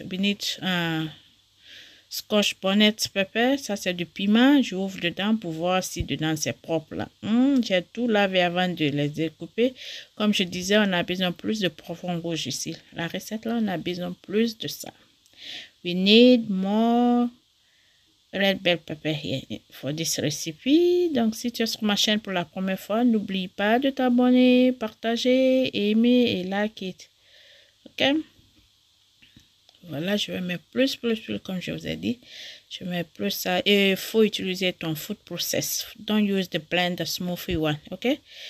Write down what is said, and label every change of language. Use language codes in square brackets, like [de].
[en] We need scotch bonnet pepper, [fr] ça c'est du piment. J'ouvre dedans pour voir si dedans c'est propre là. J'ai tout lavé avant de les découper. Comme je disais, on a besoin plus de profond rouge ici. La recette là, on a besoin plus de ça. [en] We need more red bell pepper here for this recipe. [fr] Donc si tu es sur ma chaîne pour la première fois, n'oublie pas de t'abonner, partager, aimer et like it. Ok? Voilà, je vais mettre plus, comme je vous ai dit. Je mets plus ça. Et il faut utiliser ton food process. [en] Don't use the blender smoothie one, ok?